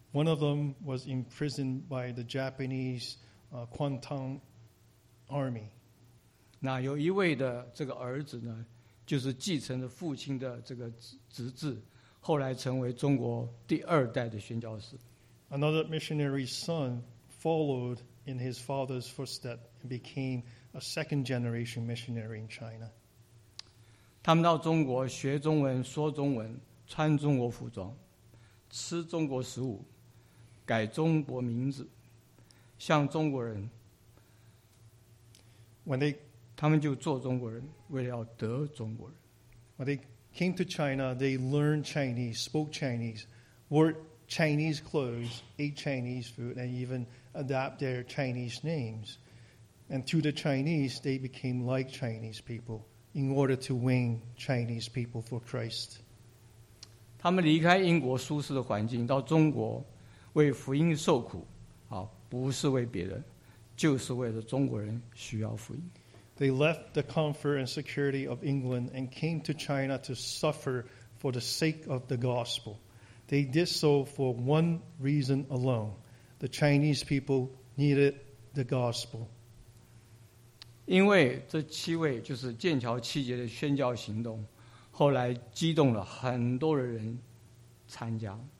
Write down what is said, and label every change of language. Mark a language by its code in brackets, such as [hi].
[en] One of them was imprisoned by the Japanese Kwantung Army. [zh] 那有一位的这个儿子呢，就是继承了父亲的这个职责，后来成为中国第二代的宣教士。 [en] Another missionary's son followed in his father's footsteps and became a second-generation missionary in China. [zh] 他们到中国学中文、说中文、穿中国服装、吃中国食物、改中国名字、像中国人。他们就做中国人，为了要得中国人。 [en] When they came to China, they learned Chinese, spoke Chinese, wore Chinese clothes, ate Chinese food, and even adapt their Chinese names. And to the Chinese, they became like Chinese people in order to win Chinese people for Christ. [zh] 他们离开英国舒适的环境，到中国为福音受苦，啊，不是为别人，就是为了中国人需要福音。 [en] They left the comfort and security of England and came to China to suffer for the sake of the gospel. They did so for one reason alone. The Chinese people needed the gospel. [zh] 因为这七位就是剑桥七节的宣教行动，后来激动了很多的人参加。